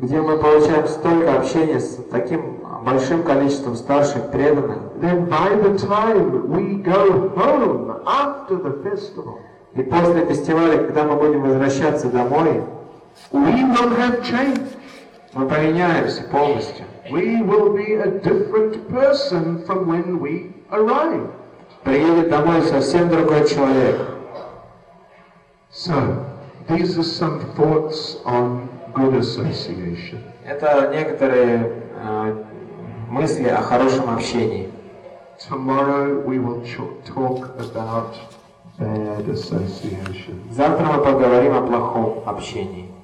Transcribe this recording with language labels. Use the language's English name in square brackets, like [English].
[Russian] где мы получаем столько общения с таким большим количеством старших преданных, [English] then by the time we go home after the festival, [Russian] и после фестиваля, когда мы будем возвращаться домой, [English] we will have changed. [Russian] Мы поменяемся полностью. [English] We will be a different person from when we arrive. [Russian] Приедет домой совсем другой человек. [English] So, these are some thoughts on good association. [Russian] Это некоторые мысли о хорошем общении. [English] Tomorrow we will talk about bad association. [Russian] Завтра мы поговорим о плохом общении.